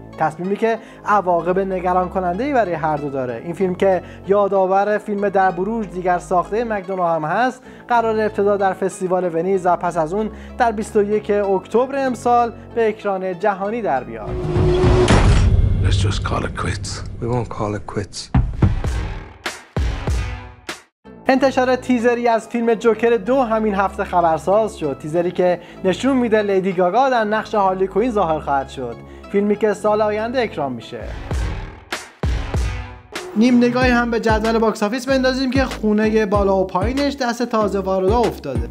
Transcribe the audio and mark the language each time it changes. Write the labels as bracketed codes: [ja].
[fa] تصمیمی که عواقب نگران کننده ای برای هر 2 داره. این فیلم که یادآور فیلم در بروژ دیگر ساخته مکدونا هم هست، قرار ابتدا در فستیوال ونیز و پس از اون در 21 اکتبر امسال به اکران جهانی در بیاد. [en] Let's just call it quits. We won't call it quits. [fa] انتشار تیزری از فیلم جوکر 2 همین هفته خبرساز شد. تیزری که نشون میده لیدی گاگا در نقش هارلی کوین ظاهر خواهد شد. فیلمی که سال آینده اکران میشه. نیم نگاهی هم به جدول باکس آفیس بندازیم که خونه بالا و پایینش دست تازه واردا افتاده.